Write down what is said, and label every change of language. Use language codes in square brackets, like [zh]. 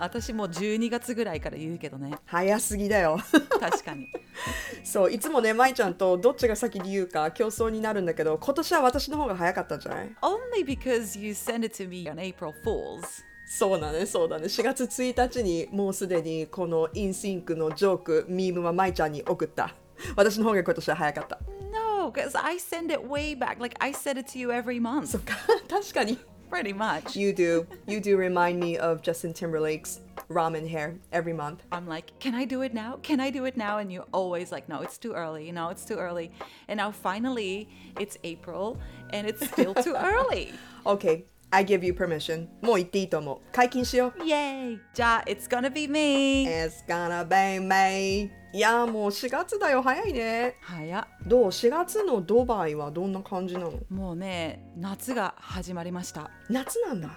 [ja] 私も12月ぐらいから言うけどね。早すぎだよ。確かに。そう、いつもね、舞ちゃんとどっちが先に言うか競争になるんだけど、今年は私の方が早かったんじゃない？ [en] Only because you send it to me on April Fool's. [ja] そうだね、そうだね。 4月1日にもうすでにこのインシンクのジョーク、ミームはマイちゃんに送った。私の方が今年は早かった。 [en] No, because I send it way back. Like, I send it to you every month. [ja] そっか、確かに。 [en] Pretty much. You do remind me of Justin Timberlake's ramen hair every month. I'm like, can I do it now? Can I do it now? And you're always like, no, it's too early. No, it's too early. And now finally, it's April, and it's still too early. okay. I give you permission. [ja] もう言っていいと思う。解禁しよう。 [en] Yay! [ja] じゃあ、 [en] It's gonna be me! It's gonna be me! [ja] いやー、もう4月だよ。早いね。早。どう？ 4 月のドバイはどんな感じなの？もうね、夏が始まりました。夏なんだ。